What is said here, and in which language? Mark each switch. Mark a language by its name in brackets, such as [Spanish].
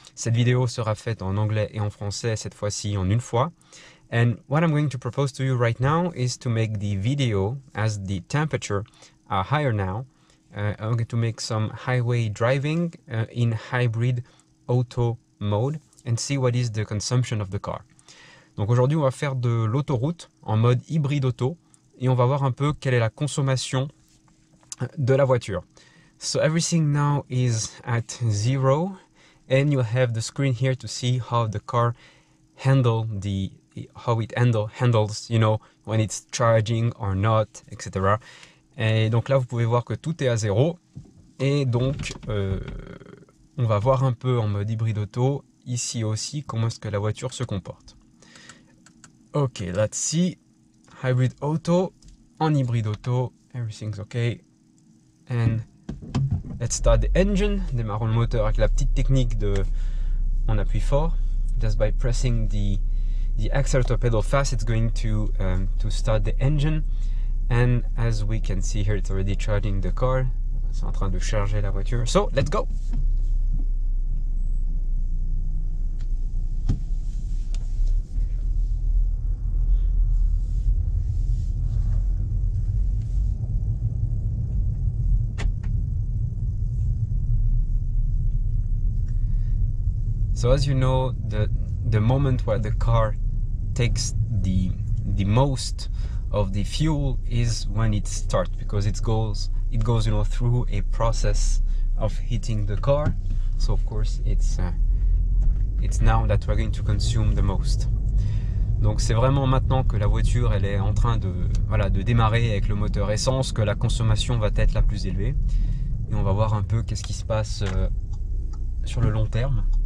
[French] Cette vidéo sera faite en anglais et en français cette fois-ci en une fois. [English] And what I'm going to propose to you right now is to make the video as the temperature are higher now. I'm going to make some highway driving in hybrid auto mode and see what is the consumption of the car. [French] Donc aujourd'hui, on va faire de l'autoroute en mode hybride auto et on va voir un peu quelle est la consommation de la voiture. [English] So everything now is at zero and you have the screen here to see how the car handle the how it handles, you know, when it's charging or not, etc. [French] Et donc là, vous pouvez voir que tout est à zéro et donc on va voir un peu en mode hybride auto ici aussi comment est-ce que la voiture se comporte. [English] Ok, let's see. Hybrid auto, [French] en hybride auto, [English] everything's okay. And let's start the engine. [French] Démarrons le moteur avec la petite technique de on appuie fort. [English] Just by pressing the accelerator pedal fast, it's going to start the engine. And as we can see here, it's already charging the car. [French] C'est en train de charger la voiture. [English] So let's go. So as you know, the moment where the car takes the most of the fuel is when it starts, because it goes you know, through a process of heating the car. So of course it's now that we're going to consume the most. [French] Donc c'est vraiment maintenant que la voiture elle est en train de voilà de démarrer avec le moteur essence que la consommation va être la plus élevée. Et on va voir un peu qu'est-ce qui se passe sur le long terme.